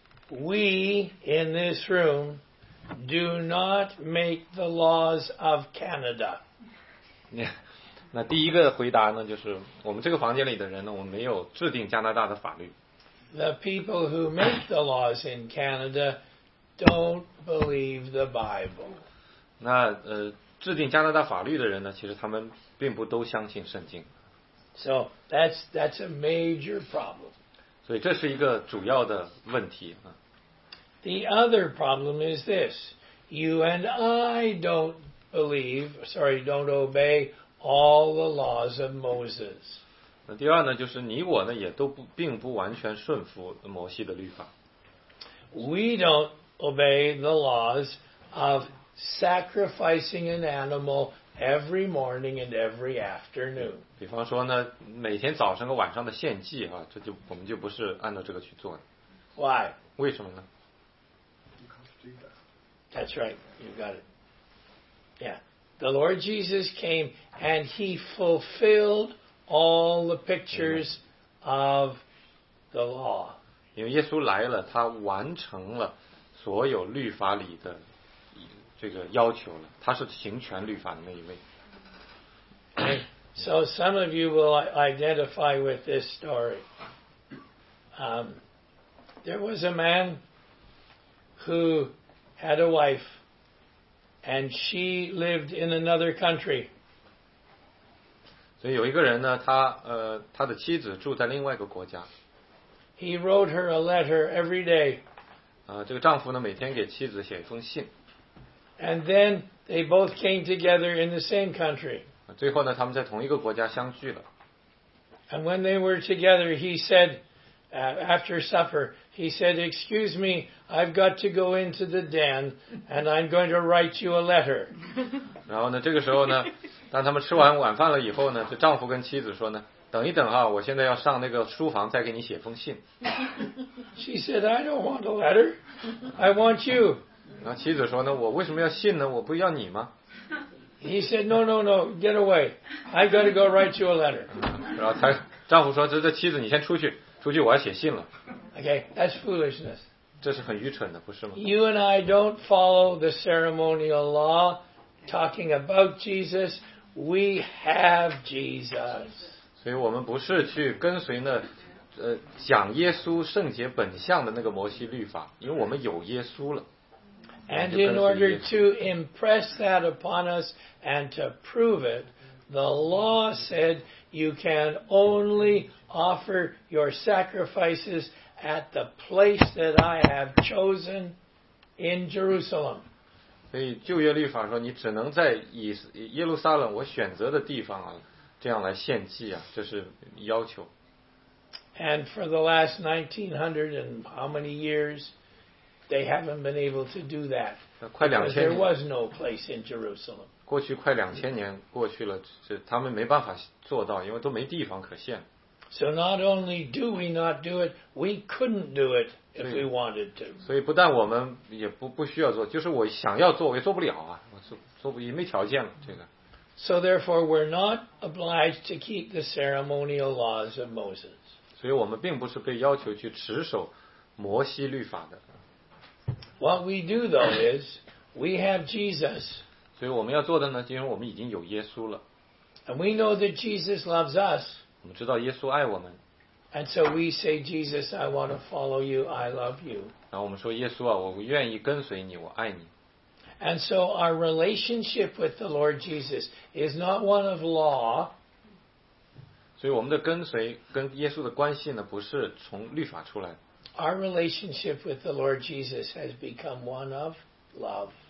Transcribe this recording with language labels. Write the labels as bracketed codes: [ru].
[en] We in this room do not make the laws of Canada. [zh] 那第一个回答呢，就是我们这个房间里的人呢，我们没有制定加拿大的法律。 [en] The people who make the laws in Canada don't believe the Bible. [zh] 那制定加拿大法律的人呢，其实他们并不都相信圣经。 [en] So that's a major problem. [zh] 所以这是一个主要的问题啊。 [en] The other problem is this: you and I don't obey all the laws of Moses. [zh] 那第二呢，就是你我呢也都并不完全顺服摩西的律法。 [en] We don't obey the laws of sacrificing an animal every morning and every afternoon. [zh] 比方说呢，每天早上和晚上的献祭哈、啊，这就我们就不是按照这个去做的。 [en] Why？ [zh] 为什么呢 [en] ？That's right, you got it. Yeah, the Lord Jesus came and he fulfilled all the pictures of the law. [zh] 因为耶稣来了，他完成了所有律法里的这个要求了，他是行权律法的那一位。 [en] So some of you will identify with this story. There was a man who had a wife, and she lived in another country. [zh] 所以有一个人呢，他的妻子住在另外一个国家。 [en] He wrote her a letter every day. [zh] 这个丈夫呢，每天给妻子写一封信。 [en] And then they both came together in the same country. [zh] 最后呢，他们在同一个国家相聚了。 [en] And when they were together, he said, after supper, he said, "Excuse me, I've got to go into the den, and I'm going to write you a letter." [zh] 然后呢，这个时候呢，当他们吃完晚饭了以后呢，这丈夫跟妻子说呢。等一等啊，我现在要上那个书房再给你写封信。 [en] She said, "I don't want a letter. I want you." [zh] 然后妻子说呢，我为什么要信呢？我不要你吗 [en] ？He said, "No, no, no. Get away. I got to go write you a letter." [zh] 然后他丈夫说，这妻子你先出去，出去我要写信了。 [en] Okay, that's foolishness. [zh] 这是很愚蠢的，不是吗 [en] ？You and I don't follow the ceremonial law talking about Jesus. We have Jesus. [zh] 所以我们不是去跟随那讲耶稣圣洁本相的那个摩西律法，因为我们有耶稣了。 [en] And in order to impress that upon us and to prove it, the law said you can only offer your sacrifices at the place that I have chosen in Jerusalem. [zh] 所以旧约律法说你只能在耶路撒冷我选择的地方啊。这样来献祭啊，这是要求。 [en] And for the last 1900 and how many years, they haven't been able to do that. [zh] 快两千年。 [en] There was no place in Jerusalem. [zh] 过去快两千年过去了，这他们没办法做到，因为都没地方可献。 [en] So not only do we not do it, we couldn't do it if we wanted to. [zh] 所以不但我们也不需要做，就是我想要做，我也做不了啊，我做不也没条件了这个。 [en] So therefore, we're not obliged to keep the ceremonial laws of Moses. [zh] 所以我们并不是被要求去持守摩西律法的。 [en] What we do, though, is we have Jesus. [zh] 所以我们要做的呢，因为我们已经有耶稣了。 [en] And we know that Jesus loves us. [zh] 我们知道耶稣爱我们。 [en] And so we say, "Jesus, I want to follow you. I love you." [zh] 然后我们说，耶稣啊，我愿意跟随你，我爱你。 [en] And so our relationship with the Lord Jesus is not one of law. [zh] 所以我们的跟随跟耶稣的关系呢，不是从律法出来。 [en] Our relationship with the Lord Jesus has become one of love.